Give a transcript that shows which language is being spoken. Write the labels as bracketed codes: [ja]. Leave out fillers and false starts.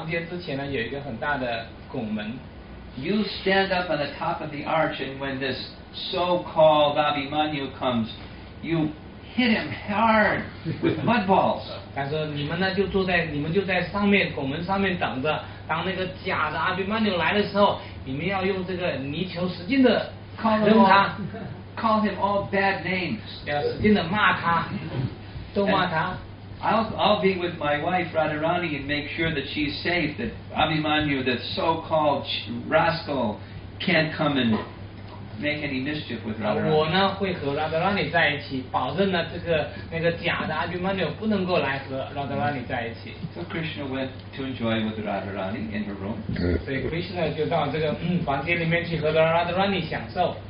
[zh] 在进这个房间之前呢，有一个很大的拱门。 [en] You stand up on the top of the arch, and when this so-called Abhimanyu comes, you hit him hard with mud balls. [zh] 他说：“你们呢，就坐在拱门上面等着。当那个假的Abhimanyu来的时候，你们要用这个泥球使劲的。” [en] Call him all bad names. [zh] 使劲的骂他，都骂他。 [en] I'll be with my wife Radharani and make sure that she's safe. That Abhimanyu, that so-called rascal, can't come and make any mischief with Radharani. [zh] 我呢会和 Radharani 在一起，保证呢这个那个假的 Abhimanyu 不能够来和 Radharani 在一起。 [en] So Krishna went to enjoy with Radharani in her room. [zh] 所以 Krishna 就到这个房间里面去和 Radharani 享受。